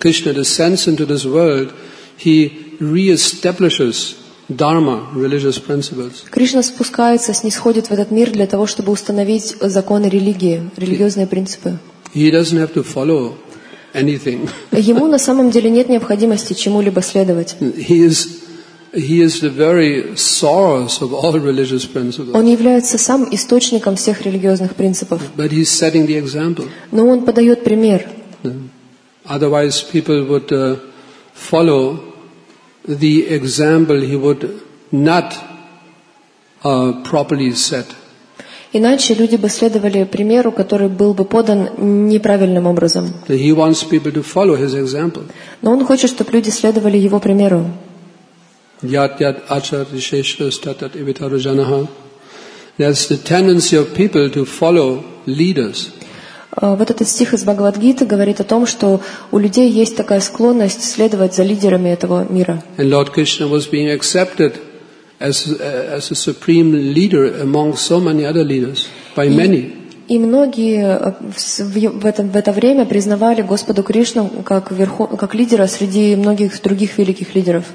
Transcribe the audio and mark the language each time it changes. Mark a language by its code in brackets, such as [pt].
[en] Krishna descends into this world. He reestablishes dharma, religious principles. [ru] Кришна спускается, снисходит в этот мир для того, чтобы установить законы религии, религиозные принципы. [en] He doesn't have to follow anything. [ru] Ему на самом деле нет необходимости чему-либо следовать. [en] He is the very source of all religious principles. [ru] Он является сам источником всех религиозных принципов. [en] But he's setting the example. [ru] Но он подает пример. [en] Otherwise, people would follow the example he would not properly set. [ru] Иначе люди бы следовали примеру, который был бы подан неправильным образом. [en] He wants people to follow his example. [ru] Но он хочет, чтобы люди следовали его примеру. [sa] Yat yat achar visheshas tat tat evitaro janaha. [en] That's the tendency of people to follow leaders. [ru] Вот этот стих из Бхагавад-гиты говорит о том, что у людей есть такая склонность следовать за лидерами этого мира. [en] And Lord Krishna was being accepted as a supreme leader among so many other leaders by many. [ru] И многие в это время признавали Господу Кришну как лидера среди многих других великих лидеров.